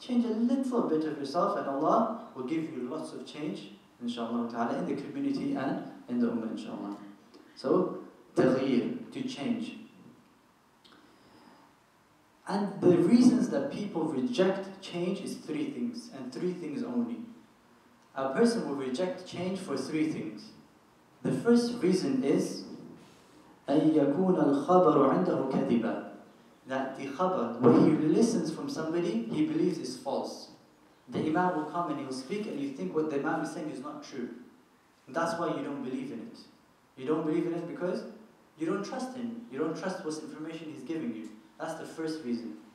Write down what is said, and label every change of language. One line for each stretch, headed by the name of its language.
English: Change a little bit of yourself and Allah will give you lots of change, inshaAllah ta'ala, in the community and in the ummah, inshaAllah. So, taghyir, to change. And the reasons that people reject change is three things, and three things only. A person will reject change for three things. The first reason is,
Arabic: أَن يَكُونَ الْخَبَرُ عِنْدَهُ كَذِبًا.
English: That the khabar, when he listens from somebody, he believes is false. The imam will come and he'll speak and you think what the imam is saying is not true. And that's why you don't believe in it. You don't believe in it because you don't trust him. You don't trust what information he's giving you. That's the first reason.